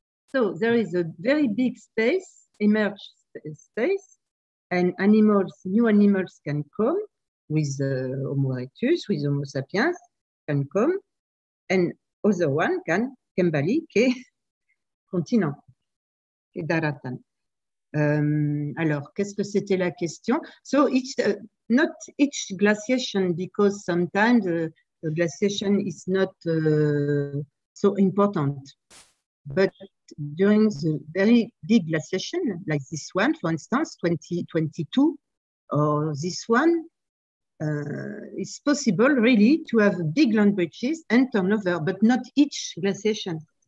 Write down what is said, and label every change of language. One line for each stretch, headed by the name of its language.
English: So there is a very big space, emerge space, and animals, new animals can come with Homo erectus, with Homo sapiens, can come, and other one can
Indonesian: kembali ke continent, ke daratan.
French: Alors, qu'est-ce que c'était la question?
English: So it's not each glaciation, because sometimes the glaciation is not so important. But during the very big glaciation, like this one, for instance, 2022, or this one, it's possible really to have big land bridges and turnover, but not each glaciation.